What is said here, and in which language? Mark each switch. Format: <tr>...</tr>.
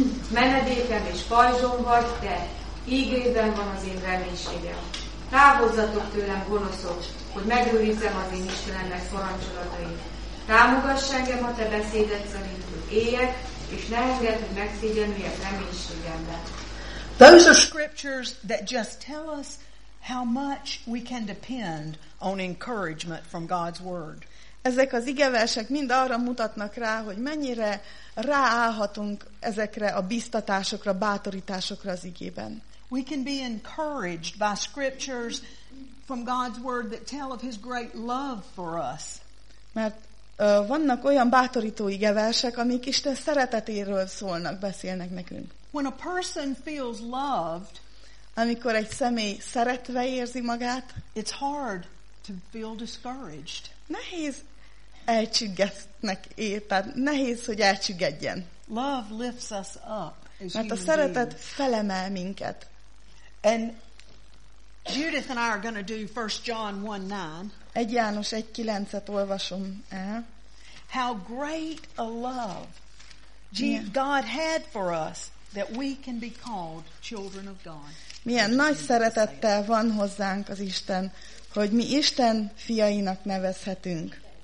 <hu>Menedékem és pajzsom vagy te, ígédben van az én reménységem. Távozzatok tőlem, gonoszok, hogy megőrizzem az én Istenemnek parancsolatait. Támogass engem a te beszédet szerint, hogy éljek, és ne engedd, hogy megszégyenüljek reménységemben.</hu> <en>Those are scriptures that just tell us how much we can depend on encouragement from God's word.</en> <hu>Ezek az igeversek mind arra mutatnak rá, hogy mennyire ráállhatunk ezekre a biztatásokra, bátorításokra az igében.</hu> <en>We can be encouraged by scriptures from God's word that tell of his great love for us.</en> <hu>Mert vannak olyan bátorító igeversek, amik Isten szeretetéről szólnak, beszélnek nekünk.</hu> <en>When a person feels loved,</en> <hu>amikor egy személy szeretve érzi magát,</hu> <en>it's hard to feel discouraged.</en> <hu>Nehéz elcsüggetnek ér, tehát nehéz, hogy elcsüggedjen.</hu> <en>Love lifts us up.</en> <hu>Mert a szeretet felemel minket.</hu> <en>And Judith and I are going to do 1 John 1:9.</en> <hu>1 János 1:9-et olvasom el.</hu> <en>How great a love God had for us that we can be called children of God.</en> <hu>Milyen nagy szeretettel van hozzánk az Isten, hogy mi Isten fiainak nevezhetünk.</hu>